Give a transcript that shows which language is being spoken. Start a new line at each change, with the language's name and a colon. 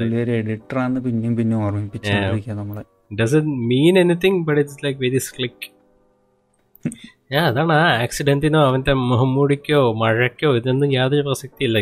Malayalam: Editor ആണ് പിന്നെയും പിന്നെയും ഓർമ്മിപ്പിച്ചുകൊണ്ടിരിക്കുക നമ്മളെ.
English: Doesn't mean anything, but it's like very slick.
Malayalam: Yeah, അതാണ് ആ ആക്സിഡന്റിനോ അവന്റെ മുഹമ്മൂടിക്കോ മഴയ്ക്കോ ഇതൊന്നും യാതൊരു പ്രസക്തി ഇല്ല.